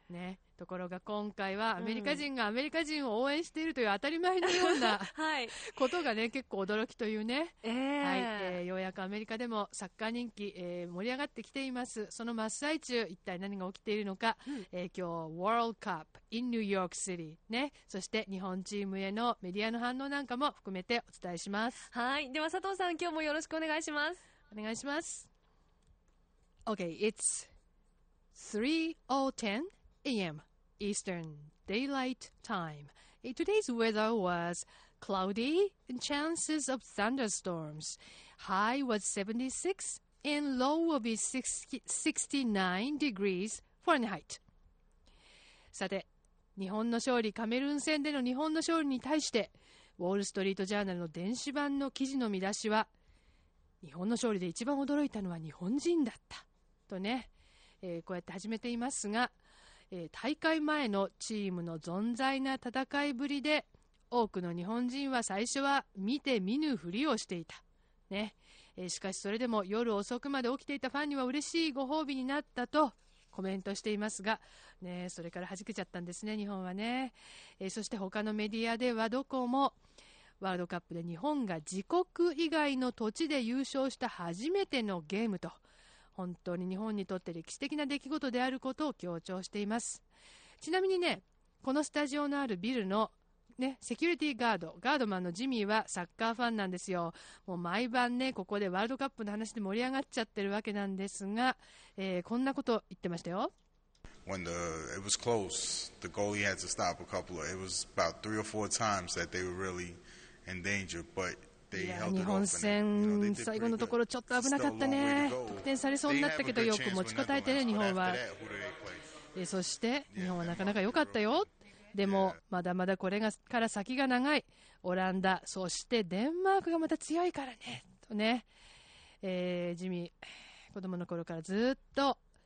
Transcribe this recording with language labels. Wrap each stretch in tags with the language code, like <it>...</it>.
<ja>ね、ところが今回はアメリカ人がアメリカ人を応援しているという当たり前のようなことが、ね、結構驚きというね、はい、ようやくアメリカでもサッカー人気、盛り上がってきています。その真っ最中、一体何が起きているのか、今日ワールドカップ in New York City、ね、そして日本チームへのメディアの反応なんかも含めてお伝えします。はい、では佐藤さん、今日もよろしくお願いします。お願いします。</ja> <en>Okay, it's 3:10AM Eastern Daylight Time. Today's weather was cloudy and chances of thunderstorms. High was 76 and low will be 69 degrees Fahrenheit.</en> <ja>さて、日本の勝利、カメルーン戦での日本の勝利に対して、ウォールストリートジャーナルの電子版の記事の見出しは、日本の勝利で一番驚いたのは日本人だったとね、こうやって始めていますが、大会前のチームの存在な戦いぶりで、多くの日本人は最初は見て見ぬふりをしていた、ね、しかしそれでも夜遅くまで起きていたファンには嬉しいご褒美になったとコメントしていますが、ね、それから弾けちゃったんですね、日本はね、そして他のメディアではどこもワールドカップで日本が自国以外の土地で優勝した初めてのゲームと、本当に日本にとって歴史的な出来事であることを強調しています。ちなみにね、このスタジオのあるビルの、ね、セキュリティガード、ガードマンのジミーはサッカーファンなんですよ。もう毎晩ね、ここでワールドカップの話で盛り上がっちゃってるわけなんですが、こんなこと言ってましたよ。</ja> <en>When it was close, the goalie had to stop a couple of, it was about three or four times that they were really in danger, but</en> <ja>日本戦最後のところちょっと危なかったね、得点されそうになったけどよく持ちこたえてね日本は。そして日本はなかなか良かったよ、でもまだまだこれから先が長い、オランダそしてデンマークがまた強いからねとね、ジミー子供の頃からずっと</ja>